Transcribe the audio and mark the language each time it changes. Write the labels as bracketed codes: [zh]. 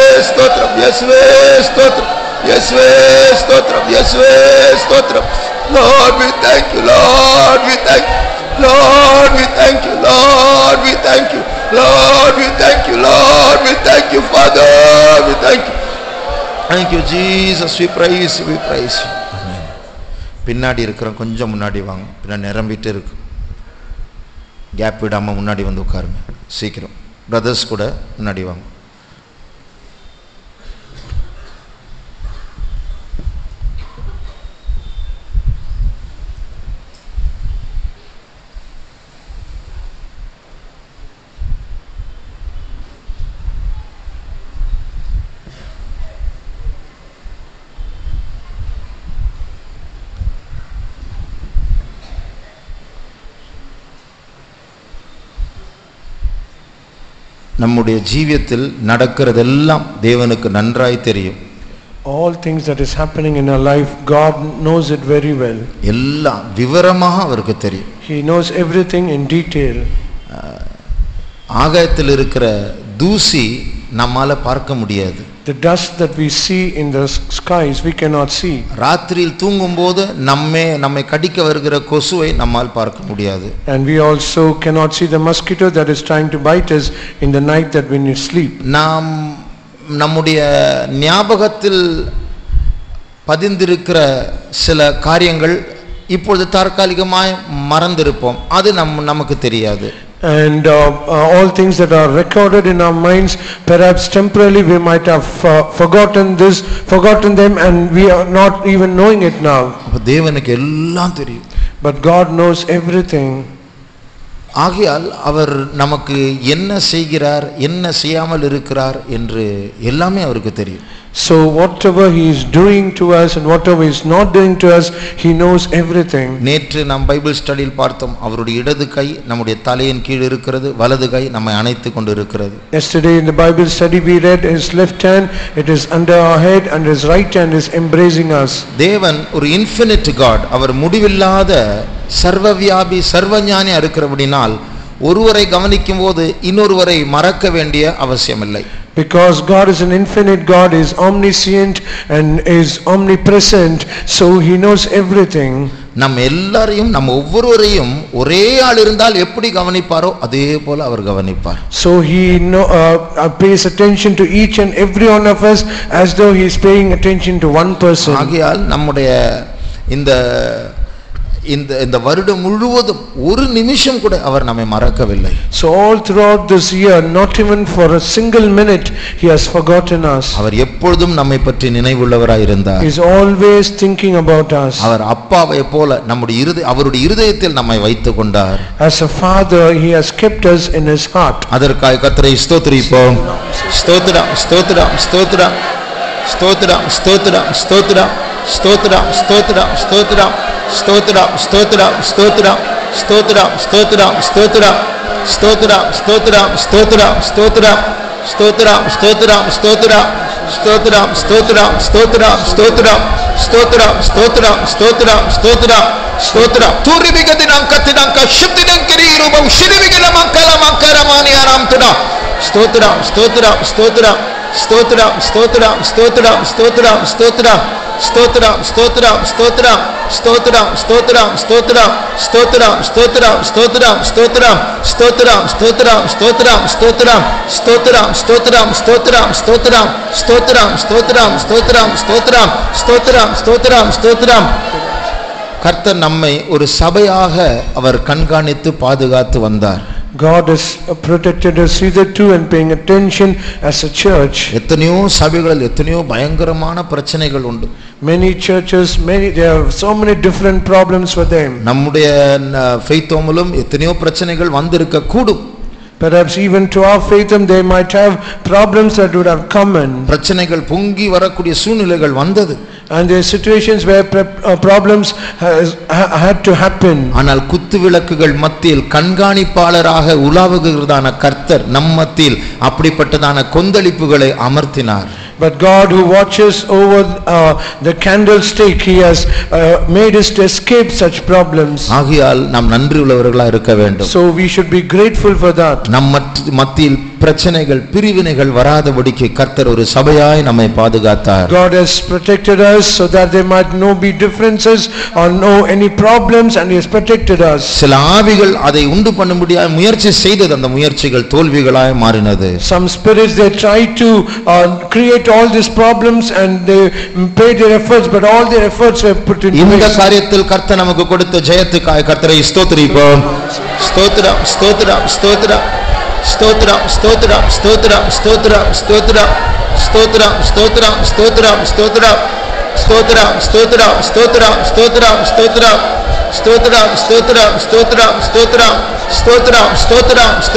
[ta] ஸ்தோத்திரம் இயேசுவே ஸ்தோத்திரம் இயேசுவே ஸ்தோத்திரம் [en] இயேசுவே ஸ்தோத்திரம் Lord we thank you Lord we thank you Lord, we thank you, Lord, we thank you, Lord, we thank you, Lord, we thank you, Father, we thank you. Thank you, Jesus, we praise you. Amen. [ta] பின்னாடி இருக்கிற கொஞ்சம் முன்னாடி வாங்க, பின்ன நிரம்பிட்டு இருக்கு. Gap விடாம முன்னாடி வந்து உட்காருங்க, சீக்கிரம். பிரதர்ஸ் கூட முன்னாடி வாங்க. நம்முடைய ஜீவியத்தில் நடக்கிறதெல்லாம் தேவனுக்கு நன்றாய் தெரியும். [en] All things that is happening in our life, God knows it very well. [ta] எல்லாம் விவரமாக அவருக்கு தெரியும். [en] He knows everything in detail. [ta] ஆகாயத்தில் இருக்கிற தூசி நம்மால பார்க்க முடியாது. [en] The dust that we see in the skies, we cannot see. [ta] ராத்திரியில் தூங்கும்போது நம்மை கடிக்க வருகிற கொசுவை நம்மால் பார்க்க முடியாது. [en] And we also cannot see the mosquito that is trying to bite us in the night that when you sleep. [ta] நாம் நம்முடைய ஞாபகத்தில் பதிந்திருக்கிற சில காரியங்கள் இப்பொழுது தற்காலிகமாய் மறந்திருப்போம். அது நமக்கு தெரியாது. [en] And all things that are recorded in our minds, perhaps temporarily we might have forgotten this, forgotten them, and we are not even knowing it now. [ta] But தேவனுக்கு எல்லாம் தெரியும். [en] But God knows everything. [ta] ஆகையால் அவர் நமக்கு என்ன செய்கிறார் என்ன செய்யாமல் இருக்கிறார் என்று எல்லாமே அவருக்கு தெரியும். [en] So whatever he is doing to us and whatever he is not doing to us, he knows everything. [ta] நேற்று நாம் பைபிள் ஸ்டடியில் பார்த்தோம், அவருடைய இடது கை நம்முடைய தலையின் கீழ் இருக்கிறது, வலது கை நம்மை அணைத்துக் கொண்டிருக்கிறது. [en] Yesterday in the Bible study we read his left hand, it is under our head, and his right hand is embracing us. [ta] தேவன் ஒரு [en] infinite God, [ta] அவர் முடிவில்லாத சர்வவியாபி சர்வஞானி இருக்கிறபடினால் ஒருவரை கவனிக்கும் போது இன்னொருவரை மறக்க வேண்டிய அவசியம் இல்லை. [en] Because God is an infinite God, is omniscient and is omnipresent, so He knows everything. [ta] நம் எல்லாரையும் நம் ஒவ்வொருவரையும் ஒரே ஆள் இருந்தால் எப்படி கவனிப்பாரோ அதே போல அவர் கவனிப்பார். [en] So he pays attention to each and every one of us as though he is paying attention to one person. [ta] ஆகையால் நம்முடைய இந்த வருடம் முழுவதும் ஒரு நிமிஷம் கூட அவர் நம்மை மறக்கவில்லை. [en] So all throughout this year, not even for a single minute, he has forgotten us. [ta] அவர் எப்பொழுதும் நம்மை பற்றி நினைவுள்ளவராய் இருந்தார். [en] He is always thinking about us. [ta] அவர் அப்பாவை போல அவருடைய இருதயத்தில் நம்மை வைத்துக் கொண்டார். [en] As a father, he has kept us in his heart. [ta] அதற்காய் கர்த்தரை ஸ்தோத்திரிப்போம். ஸ்தோத்திரம் ஸ்தோத்திரம் ஸ்தோத்திரம் ஸ்தோத்திரம் ஸ்தோத்திரம் ஸ்தோத்திரம் ஸ்தோத்திரம் ஸ்தோத்திரம் ஸ்தோத்திரம் ஸ்தோத்திரம் ஸ்தோத்திரம் ஸ்தோத்திரம் ஸ்தோத்திரம் ஸ்தோத்திரம் ஸ்தோத்திரம் ஸ்தோத்திரம் ஸ்தோத்திரம் ஸ்தோத்திரம் ஸ்தோத்திரம் ஸ்தோத்திரம் ஸ்தோத்திரம் ஸ்தோத்திரம் ஸ்தோத்திரம் ஸ்தோத்திரம் ஸ்தோத்திரம் ஸ்தோத்திரம் ஸ்தோத்திரம் ஸ்தோத்திரம் ஸ்தோத்திரம் ஸ்தோத்திரம் ஸ்தோத்திரம் தூரிமிக தினம் கத்தினம் கஷ்டினம் கிரீரூபம் ஸ்ரீமிகளம் அங்கலம் அங்கரமானி ஆராம் துணா ஸ்தோத்திரம் ஸ்தோத்திரம் ஸ்தோத்திரம் ஸ்தோத்திரம் ஸ்தோத்திரம் ஸ்தோத்திரம் ஸ்தோத்திரம் ஸ்தோத்திரம் ஸ்தோத்திரம் ஸ்தோத்திரம் ஸ்தோத்திரம் ஸ்தோத்திரம் ஸ்தோத்திரம் ஸ்தோத்திரம் ஸ்தோத்திரம் ஸ்தோத்திரம் ஸ்தோத்திரம் ஸ்தோத்திரம் ஸ்தோத்திரம் ஸ்தோத்திரம் ஸ்தோத்திரம் ஸ்தோத்திரம் ஸ்தோத்திரம் ஸ்தோத்திரம் ஸ்தோத்திரம் ஸ்தோத்திரம் ஸ்தோத்திரம் ஸ்தோத்திரம் ஸ்தோத்திரம் ஸ்தோத்திரம் ஸ்தோத்திரம் ஸ்தோத்திரம் ஸ்தோத்திரம் கர்த்தர் நம்மை ஒரு சபையாக அவர் கண்காணித்து பாதுகாத்து வந்தார். [en] God has protected us hitherto and paying attention as a church. [ta] எத்தனையோ சபைகளில் எத்தனையோ பயங்கரமான பிரச்சனைகள் உண்டு. [en] Many churches, they have so many different problems for them. [ta] நம்முடைய ஃபெய்தோமிலும் எத்தனையோ பிரச்சனைகள் வந்திருக்க கூடும். [en] Perhaps even to our faithum they might have problems that would have come in. [ta] பிரச்சனைகள் பொங்கி வரக்கூடிய சூழ்நிலைகள் வந்தது. [en] And there are situations where problems had to happen. [ta] ஆனால் குத்துவிளக்குகள் மத்தியில் கண்காணிப்பாளராக உலாவுகிறதான கர்த்தர் நம்மத்தில் அப்படிப்பட்டதான கொந்தளிப்புகளை அமர்த்தினார். [en] But God who watches over the candlestick, he has made us to escape such problems. [ta] ஆகையால் நாம் நன்றி உள்ளவர்களாக இருக்க வேண்டும். [en] So we should be grateful for that. [ta] நம் மத்தியில் பிரச்சனைகள் பிரிவினைகள் வராதபடிக்கு கர்த்தர் ஒரு சபையாய் நம்மை பாதுகாத்தார். [en] God has protected us so that there might no be differences or no any problems, and he has protected us. [ta] சில ஆவிகள் அதை உண்டு பண்ண முடியாத முயற்சி செய்தது அந்த முயற்சிகள் தோல்விகளாய் மாறினது. [en] Some spirits, they tried to create all these problems and they paid their efforts, but all their efforts were put in [ta] vain. இந்த காரியத்தில் கர்த்தர் நமக்கு கொடுத்த ஜெயத்துக்காய் கர்த்தரை ஸ்தோத்திரிப்போம். ஸ்தோத்திரம் ஸ்தோத்திரம் ஸ்தோத்திரம் ஸ்தோத்திரம் ஸ்தோத்திரம் ஸ்தோத்திரம் ஸ்தோத்திரம் ஸ்தோத்திரம் ஸ்தோத்திரம் ஸ்தோத்திரம் ஸ்தோத்திரம் ஸ்தோத்திரம் ஸ்தோத்திரம் ஸ்தோத்திரம் ஸ்தோத்திரம் ஸ்தோத்திரம் ஸ்தோத்திரம் ஸ்தோத்திரம் ஸ்தோத்திரம் ஸ்தோத்திரம் ஸ்தோத்திரம் ஸ்தோத்திரம் ஸ்தோத்திரம் ஸ்தோத்திரம் ஸ்தோத்திரம் ஸ்தோத்திரம்